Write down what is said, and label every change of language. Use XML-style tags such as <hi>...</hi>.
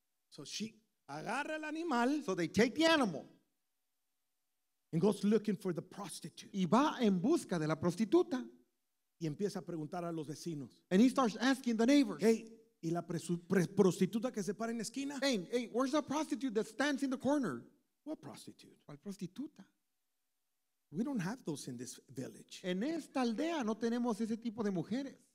<en>So she</en> <es>agarra el animal,</es> <en>so they take the animal, and goes looking for the prostitute,</en> <es>y va en busca de la prostituta, y empieza a preguntar a los vecinos,</es> <en>and he starts asking the neighbors,</en> <es>hey, y la prostituta que se para en la esquina.</es> <en>Hey, hey, where's the prostitute that stands in the corner? What prostitute?</en> <es>¿Cuál prostituta?</es> <en>We don't have those in this village.</en> <es>En esta aldea no tenemos ese tipo de mujeres.</es>